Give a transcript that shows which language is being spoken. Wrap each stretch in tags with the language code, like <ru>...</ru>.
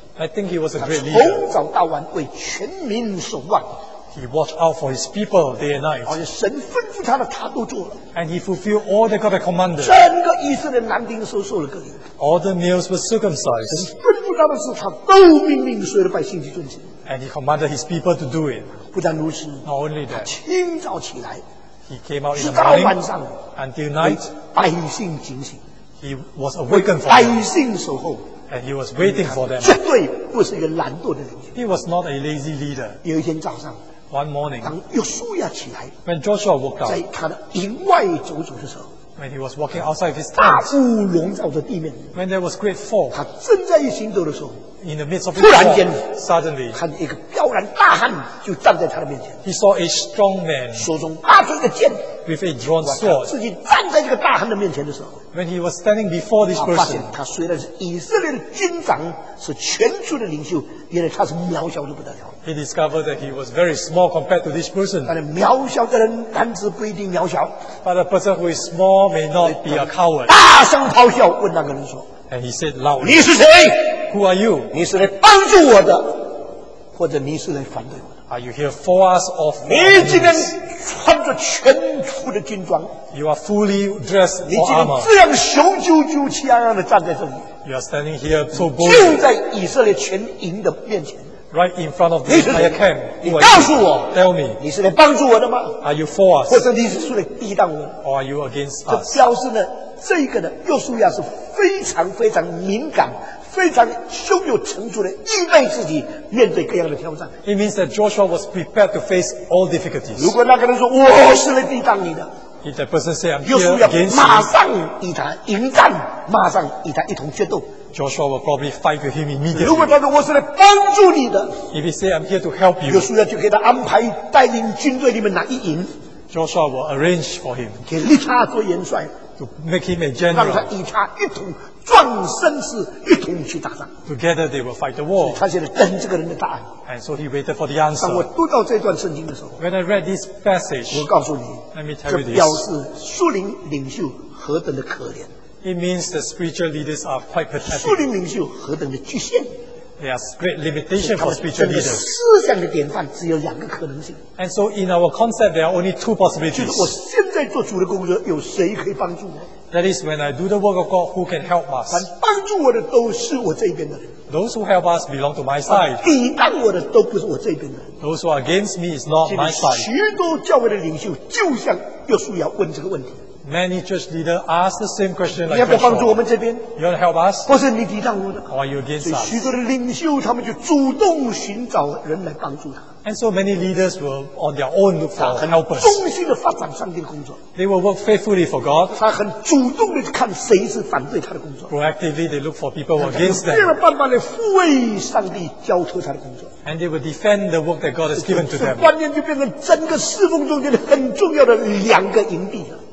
<en>I think he was a great leader.</en> <zh>从早到晚为全民守望。</zh> <en>He watched out for his people day and night.</en> <zh>而且神吩咐他的他都做了。</zh> <en>And he fulfilled all that God had commanded.</en> <zh>整个以色列男丁受了割礼。</zh> <en>All the males were circumcised.</en> <zh>神吩咐他的事，他都命令所有的百姓去遵行。</zh> <en>And he commanded his people to do it.</en> <zh>不但如此</zh> <en>，Not only that.</en> <zh>他清早起来。</zh> <en>He came out in the morning.</en> <zh>直到晚上。</zh> <en>Until night.</en> <zh>百姓警醒。</zh> <en>He was awakened for them.</en> <zh>百姓守候。</zh> <en>And he was waiting for them.</en> <zh>绝对不是一个懒惰的领袖。</zh> <en>He was not a lazy leader.</en> <zh>有一天早上。</zh> <en>One morning,</en> <zh>当约书亚起来</zh> <en>when Joshua woke up,</en> <zh>在他的营外走走的时候</zh> <en>when he was walking outside his tent,</en> <zh>大雾笼罩着地面</zh> <en>when there was great fog,</en> <zh>他正在行走的时候</zh> <en>in the midst of his fog,</en> <zh>突然间</zh> <en>suddenly,</en> <zh>看一个彪然大汉就站在他的面前</zh> <en>he saw a strong man,</en> <zh>手中拿着一个剑</zh> <en>with a drawn sword,</en> <zh>自己站在这个大汉的面前的时候</zh> <en>when he was standing before this person,</en> <zh>发现他虽然是以色列的军长是全族的领袖原来他是渺小的不得了</zh> <en>He discovered that he was very small compared to this person.</en> <zh>但是渺小的人，男子不一定渺小。</zh> <en>But a person who is small may not be a coward.</en> <zh>大声咆哮，问那个人说。</zh> <en>And he said loudly,</en> <zh>你是谁</zh> <en>？Who are you？</en> <zh>你是来帮助我的，或者你是来反对我的</zh> <en>？Are you here for us or for us？</en> <zh>你今天穿着全副的军装。</zh> <en>You are fully dressed for armor.</en> <zh>你今天这样雄赳赳气昂昂的站在这里。</zh> <en>You are standing here so boldly.</en> <zh>就在以色列全营的面前。</zh> <en>Right in front of the entire camp.</en> <zh>你告诉我</zh> <en>，Tell me，</en> <zh>你是来帮助我的吗</zh> <en>？Are you for us？</en> <zh>或者你是出来抵挡我</zh> <en>？Or are you against us？</en> <zh>这表示呢，这个呢，约书亚是非常非常敏感、非常胸有成竹的预备自己面对各样的挑战。</zh> <en>It means that Joshua was prepared to face all difficulties.</en> <zh>如果那个人说我是来抵挡你的</zh> <en>，If that person say I'm here against you，</en> <zh>马上与他迎战，马上与他一同决斗。</zh> <en>Joshua will probably fight with him immediately.</en> <zh>如果他说我是来帮助你的</zh> <en>，If he say I'm here to help you，</en> <zh>约书亚就给他安排带领军队里面哪一营</zh> <en>，Joshua will arrange for him，</en> <zh>给利他做元帅</zh> <en>，to make him a general，</en> <zh>让他与他一同壮声势，一同去打仗。</zh> <en>Together they will fight the war。</en> <zh>他现在等这个人的答案。</zh> <en>And so he waited for the answer。</en> <zh>当我读到这段圣经的时候</zh> <en>，When I read this passage，</en> <zh>我告诉你</zh> <en>，Let me tell you this，</en> <zh>这表示属灵领袖何等的可怜。</zh> <en>It means the spiritual leaders are quite pathetic.</en> <zh>属灵领袖何等的局限。</zh> <en>There are great limitations for spiritual leaders.</en> <zh>思想的典范只有两个可能性。</zh> <en>And so in our concept, there are only two possibilities.</en> <zh>就是我现在做主的工作，有谁可以帮助我</zh> <en>？That is when I do the work of God, who can help us?</en> <zh>凡帮助我的都是我这边的人。</zh> <en>Those who help us belong to my side.</en> <zh>抵挡我的都不是我这边的人。</zh> <en>Those who are against me is not my side.</en> <zh>许多教会的领袖就像约书亚问这个问题。</zh> <en>Many church leaders ask the same question like</en> <zh>你要不要帮助我们这边</zh> <en>？You want to help us？</en> <zh>或是你抵挡我的</zh> <en>？Or are you against us？</en> <zh>所以许多的领袖他们就主动寻找人来帮助他。</zh> <en>And so many leaders will on their own look for helpers.</en> <zh>忠心的发展上帝的工作。</zh> <en>They will work faithfully for God.</en> <zh>他很主动的看谁是反对他的工作。</zh> <en>Proactively they look for people against them.</en> <zh>他们用尽了办法来护卫上帝交托他的工作。</zh> <en>And they will defend the work that God has given to them.</en> <zh>这观念就变成整个侍奉中间很重要的两个营地了。</zh>